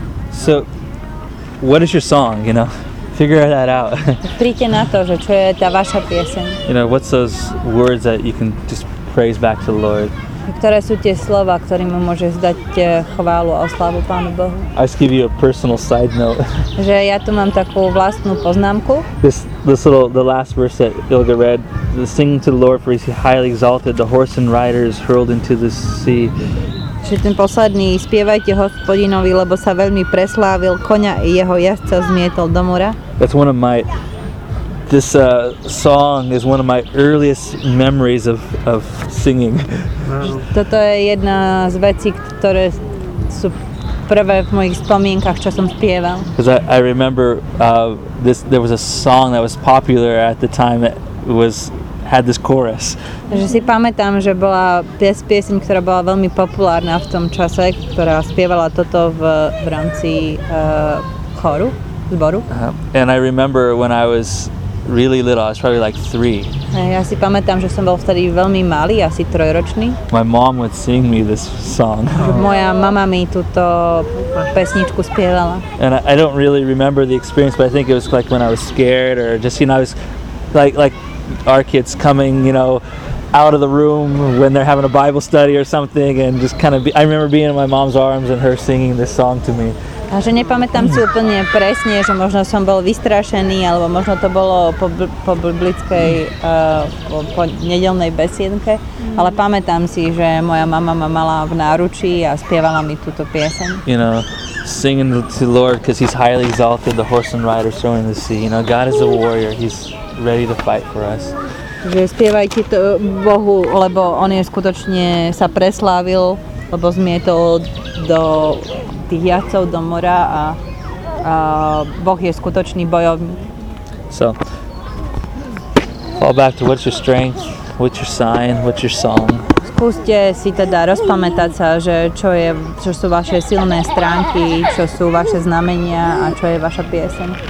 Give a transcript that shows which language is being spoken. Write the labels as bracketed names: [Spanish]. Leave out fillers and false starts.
[English] So, what is your song, you know? Figure that out. You know, what's those words that you can just praise back to the Lord? [Slovak] Ktoré sú tie slova, ktorými môžeš dať chválu a oslavu Pánu Bohu? [English] I just give you a personal side note. [Slovak] Že ja tu mám takú vlastnú poznámku. [English] The last verse that Ilga read, the sing to the Lord, for he's highly exalted, the horse and rider is hurled into the sea. [Slovak] Čiže ten posledný, spievajte Hospodinovi, lebo sa veľmi preslávil, koňa i jeho jazdca zmietol do mora. [English] That's one of my, this song is one of my earliest memories of singing. [Slovak] Toto je jedna z vecí, ktoré sú prvé v mojich spomienkach, čo som spieval. [English] Because I remember this, there was a song that was popular at the time that had this chorus. [Slovak] Že si pamätám, že bola pieseň, ktorá bola veľmi populárna v tom čase, ktorá spievala toto v rámci chóru, zboru. [English] And I remember when I was really little, I was probably like 3. [Slovak] Ja si pamätám, že som bol vtedy veľmi malý, asi trojročný. [English] My mom would sing me this song. [Slovak] Moja mama mi túto pesničku spievala. [English] And I don't really remember the experience, but I think it was like when I was scared or just, you know, I was like our kids coming, you know, out of the room when they're having a Bible study or something, and just kind of I remember being in my mom's arms and her singing this song to me. [Slovak] A že nepamätám si úplne presne, že možno som bol vystrašený, alebo možno to bolo po biblickej po nedelnej besiedke, ale pamätám si, že moja mama ma mala v náručí a spievala mi túto pieseň. [English] You know, singing to the Lord because he's highly exalted, the horse and rider throwing the sea. You know, God is a warrior, he's ready to fight for us. [Slovak] Že spievajte to Bohu, lebo on je skutočne sa preslávil, lebo zmietol do tých jazdcov do mora a Boh je skutočný bojovník. [English] So, fall back to what's your strength, what's your sign, what's your song. [Slovak] Skúste si teda rozpamätať sa, že čo sú vaše silné stránky, čo sú vaše znamenia a čo je vaša pieseň.